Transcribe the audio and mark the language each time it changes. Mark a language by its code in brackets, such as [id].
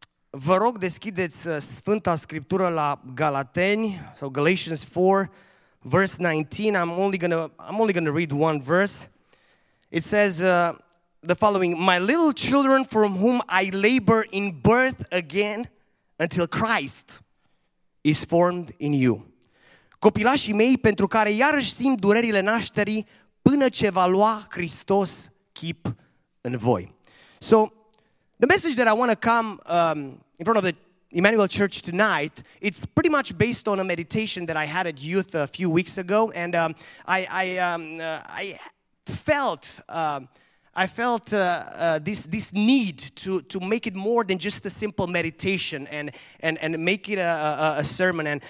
[ro] Vă rog, deschideți Sfânta Scriptură la Galateni, sau [en] so Galatians 4, verse 19. I'm only gonna read one verse. It says the following: My little children, from whom I labor in birth again until Christ is formed in you. [ro] Copilașii mei, pentru care iarăși simt durerile nașterii până ce va lua Hristos chip în voi. [en] So, the message that I want to come in front of the Emmanuel Church tonight, it's pretty much based on a meditation that I had at youth a few weeks ago, and I felt this need to make it more than just a simple meditation and make it a sermon.